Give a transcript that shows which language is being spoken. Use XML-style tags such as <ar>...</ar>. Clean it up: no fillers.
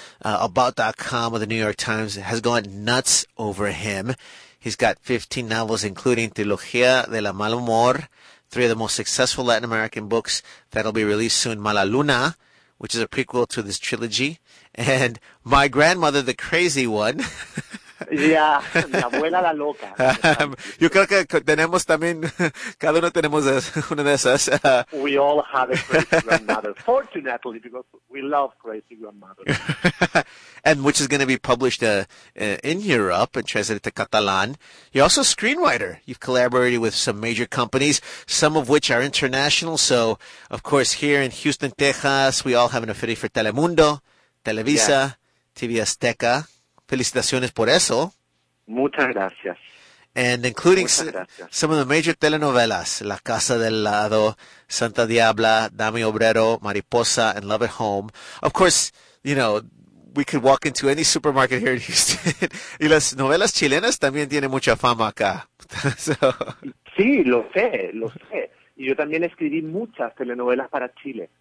<en>About.com of the New York Times has gone nuts over him. He's got 15 novels, including Trilogía de la Mal Humor, three of the most successful Latin American books that'll be released soon, Mala Luna, which is a prequel to this trilogy, and My Grandmother, the Crazy One.</en> <es>Yeah, mi abuela la loca. Yo creo que tenemos también, cada uno tenemos una de esas.</es> <en>We all have a crazy grandmother, fortunately, because we love crazy grandmothers. And which is going to be published in Europe and translated to Catalan. You're also a screenwriter. You've collaborated with some major companies, some of which are international. So, of course, here in Houston, Texas, we all have an affinity for Telemundo, Televisa, yeah. TV Azteca.</en> <es>Felicitaciones por eso. Muchas gracias.</es> <en>And including some of the major telenovelas, La Casa del Lado, Santa Diabla, Dame Obrero, Mariposa, and Love at Home. Of course, you know, we could walk into any supermarket here in Houston.</en> <es>Y las novelas chilenas también tienen mucha fama acá.</es> <en>So.</en> <es>Sí, lo sé, lo sé. Y yo también escribí muchas telenovelas para Chile.</es>